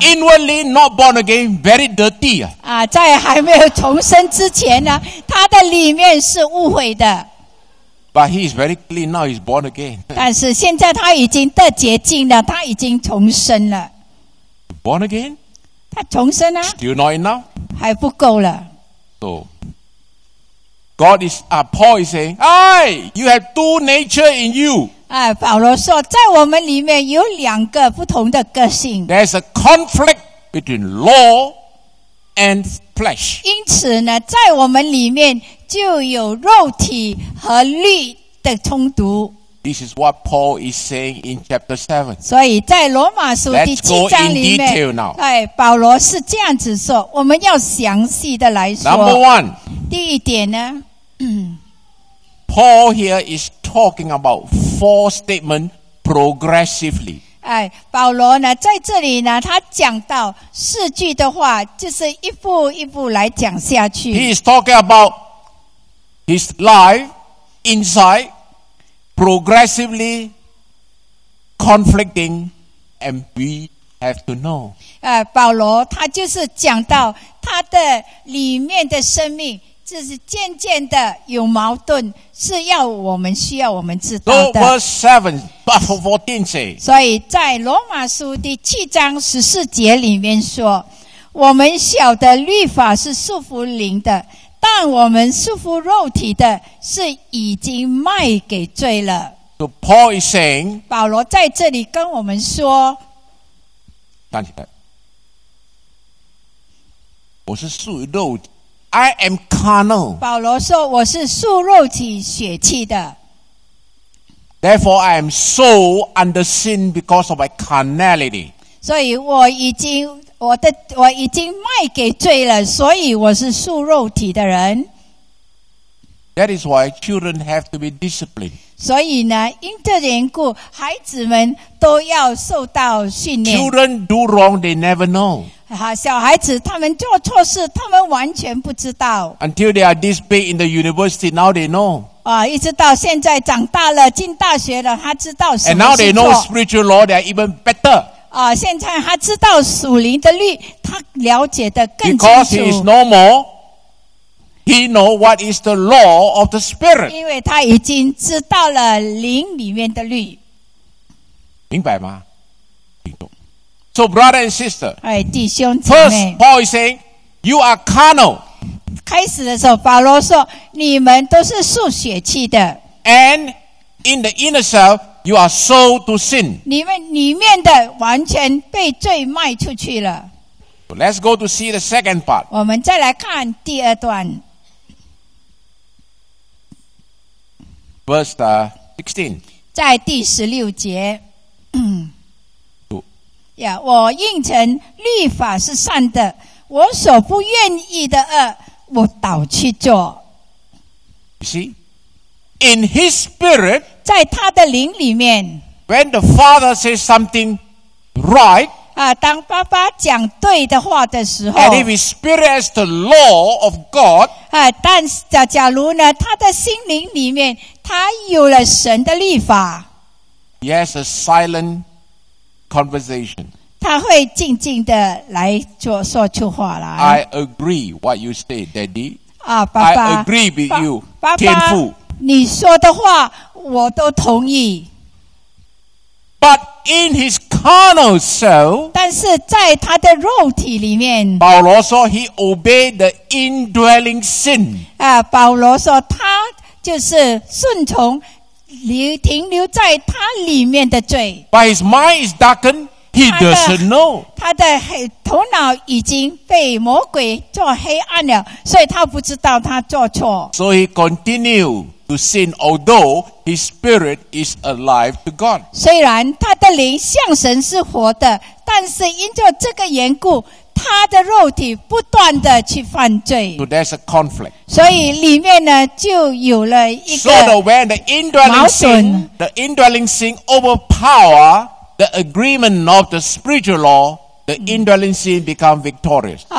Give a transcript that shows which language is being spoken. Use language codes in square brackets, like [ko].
[en] Inwardly not born again, very dirty. [zh] 在还没有重生之前呢，他的里面是污秽的。 [en] But he is very clean now. He's born again. [zh] 但是现在他已经得洁净了，他已经重生了。 [en] Born again? [zh] 他重生啊。 [en] Still not enough? [zh] 还不够了。 [en] So God is, Paul is saying, "Hey, you have two nature in you." [zh] 保罗说在我们里面有两个不同的个性。 [en] There's a conflict between law and flesh. [zh] 因此呢在我们里面就有肉体和律的冲突。 [en] This is what Paul is saying in chapter 7. [zh] 所以在罗马书第七章里面。 [en] Let's go in detail now. [zh] 保罗是这样子说，我们要详细的来说。 [en] Number one. [zh] 第一点呢。 [en] Paul here is talking about four statements progressively. [zh] 保罗呢在这里呢他讲到四句的话，就是一步一步来讲下去。 [en] He is talking about his life inside progressively conflicting and we have to know. [zh] 保罗他就是讲到他的里面的生命这是渐渐的有矛盾，是要我们需要我们知道的。 [en] So, verse 7, verse 14 say, [zh] 所以在罗马书第七章十四节里面说，我们晓得律法是束缚灵的，但我们束缚肉体的是已经卖给罪了。 [en] So Paul is saying, [zh] 保罗在这里跟我们说，站起来，我是属于肉体。 [en] I am carnal. [zh] 保罗说我是属肉体血气的。 [en] Therefore, I am soul under sin because of my carnality. [zh] 所以我已经卖给罪了，所以我是属肉体的人。 [en] That is why children have to be disciplined. [zh] 所以呢，因这缘故，孩子们都要受到训练。 [en] Children do wrong, they never know. [zh] 小孩子他们做错事他们完全不知道。 [en] Until they are this big in the university, now they know. [zh] 一直到现在长大了进大学了他知道什么是错。 [en] And now they know spiritual law, they are even better. 现在他知道属灵的律他了解得更清楚。 Because he is normal, He know what is the law of the spirit. [zh] 因为他已经知道了灵里面的律。明白吗？ [en] So brother and sister. [zh] 哎，弟兄姊 [en] 妹。First, Paul is saying, "You are carnal." [zh] 开始的时候，保罗说，你们都是属血气的。 [en] And in the inner self, you are sold to sin. [zh] 你们里面的完全被罪卖出去了。 [en] Let's go to see the second part. [zh] 我们再来看第二段。 [en] Verse 16. [zh] 在第十六节。 Yeah, 我应承律法是善的，我所不愿意的恶，我倒去做。 [en] You see? In his spirit, [zh] 在他的灵里面， [en] when the father says something right, [zh] 当爸爸讲对的话的时候， [en] and if his spirit has the law of God, [zh] 但假如呢，他的心灵里面他有了神的律法， [en] he has a silent conversation. [zh] 他会静静的来做说出话来。 [en] I agree what you say, Daddy. [zh] 啊，爸爸。 [en] I agree with you, [zh] 爸爸天父。你说的话我都同意。 [en] But in his carnal self, [zh] 但是在他的肉体里面，保罗说 [en] he obeyed the indwelling sin. [zh] 啊，保罗说他就是顺从停留在他里面的罪。 [en] But his mind is darkened, he doesn't know. [zh] 他的头脑已经被魔鬼做黑暗了，所以他不知道他做错。 [en] So he continued. To sin, although his spirit is alive to God. [zh] 虽然他的灵像神是活的，但是因着这个缘故，他的肉体不断的去犯罪。 [en] So there's a conflict. [zh] 所以里面呢就有了一个矛盾。 [en] So when the indwelling sin overpower the agreement of the spiritual law, the indwelling sin become victorious.